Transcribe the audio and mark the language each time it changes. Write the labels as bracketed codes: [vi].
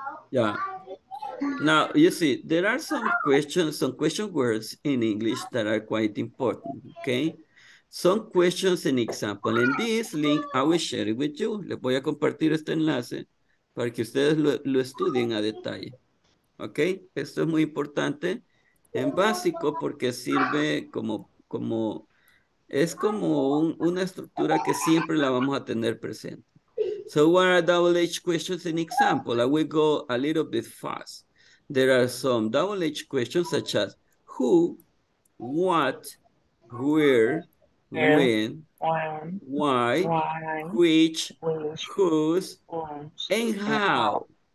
[en] Yeah. Now, you see, there are some question words in English that are quite important, okay? Some questions and examples. In this link, I will share it with you. [es] Les voy a compartir este enlace para que ustedes lo estudien a detalle. ¿Ok? Esto es muy importante en básico porque sirve como es como una estructura que siempre la vamos a tener presente. [en] So what are double H questions and examples? I will go a little bit fast. There are some double H questions such as who, what, where, when, why, which, whose, and how.